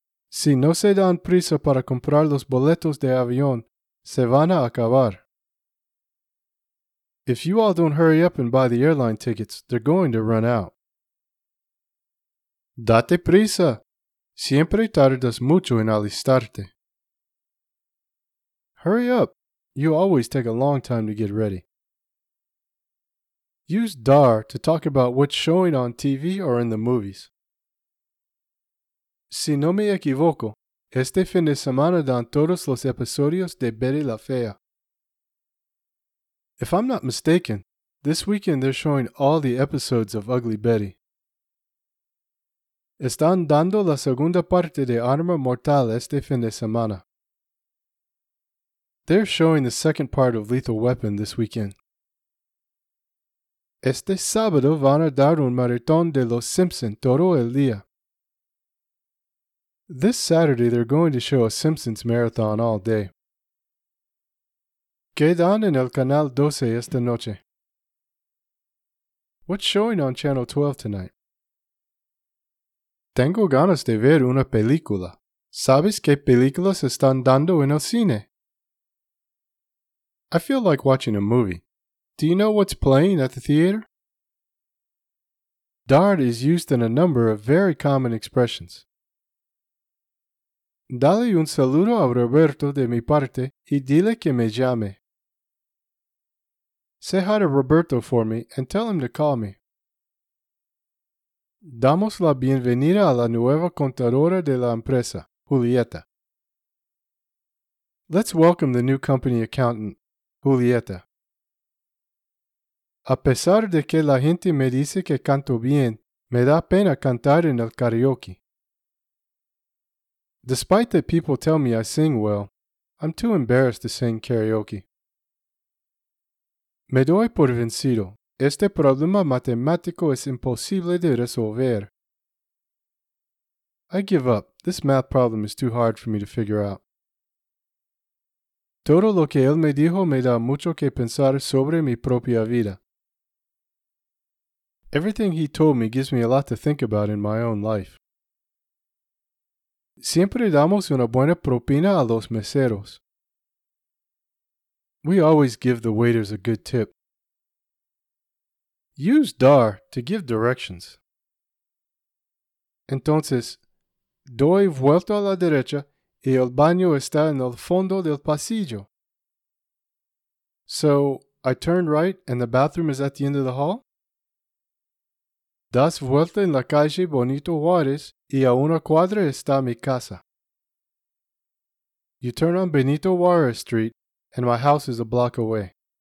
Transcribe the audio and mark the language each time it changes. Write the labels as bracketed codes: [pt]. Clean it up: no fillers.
[es] Si no se dan prisa para comprar los boletos de avión, se van a acabar. [en] If you all don't hurry up and buy the airline tickets, they're going to run out. [es] Date prisa. Siempre tardas mucho en alistarte. [en] Hurry up. You always take a long time to get ready. Use dar to talk about what's showing on TV or in the movies. [es] Si no me equivoco, este fin de semana dan todos los episodios de Betty la Fea. [en] If I'm not mistaken, this weekend they're showing all the episodes of Ugly Betty. [es] Están dando la segunda parte de Arma Mortal este fin de semana. [en] They're showing the second part of Lethal Weapon this weekend. [es] Este sábado van a dar un maratón de Los Simpson todo el día. [en] This Saturday they're going to show a Simpsons marathon all day. [es] ¿Qué dan en el canal 12 esta noche? [en] What's showing on Channel 12 tonight? [es] Tengo ganas de ver una película. ¿Sabes qué películas están dando en el cine? [en] I feel like watching a movie. Do you know what's playing at the theater? Darn is used in a number of very common expressions. [es] Dale un saludo a Roberto de mi parte y dile que me llame. [en] Say hi to Roberto for me and tell him to call me. [es] Damos la bienvenida a la nueva contadora de la empresa, Julieta. [en] Let's welcome the new company accountant, Julieta. [es] A pesar de que la gente me dice que canto bien, me da pena cantar en el karaoke. [en] Despite that people tell me I sing well, I'm too embarrassed to sing karaoke. [es] Me doy por vencido. Este problema matemático es imposible de resolver. [en] I give up. This math problem is too hard for me to figure out. [es] Todo lo que él me dijo me da mucho que pensar sobre mi propia vida. [en] Everything he told me gives me a lot to think about in my own life. [es] Siempre damos una buena propina a los meseros. [en] We always give the waiters a good tip. Use dar to give directions. [es] Entonces, doy vuelta a la derecha y el baño está en el fondo del pasillo. [en] So, I turn right and the bathroom is at the end of the hall? [es] Das vuelta en la calle Bonito Juárez y a una cuadra está mi casa. [en] You turn on Benito Juárez Street and my house is a block away.